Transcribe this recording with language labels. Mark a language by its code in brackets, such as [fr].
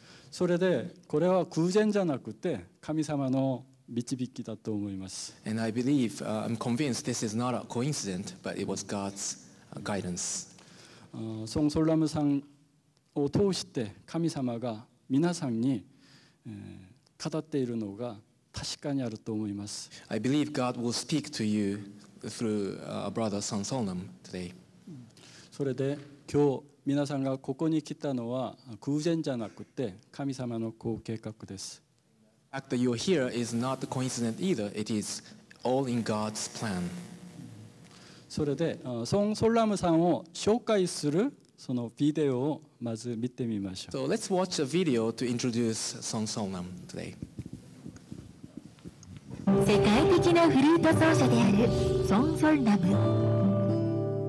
[ja] それでこれは偶然じゃなくて神様の導きだと思います。 [en] And I believe, I'm convinced this is not a coincidence, but it was God's guidance. [ja] ソン・ソルラムさんを通して神様が皆さんに語っているのが確かにあると思います。 [en] I believe God will speak to you through our brother Son Solnam today. [ja] それで今日皆さんがここに来たのは偶然じゃなくて神様のご計画です。 [en] The fact that you're here is not a coincidence either. It is all in God's plan. [ja] それで、ソン・ソルラムさんを紹介するそのビデオをまず見てみましょう。 [en] So let's watch a video to introduce Song Solnam today. [ja] 世界的なフルート奏者であるソン・ソルラム。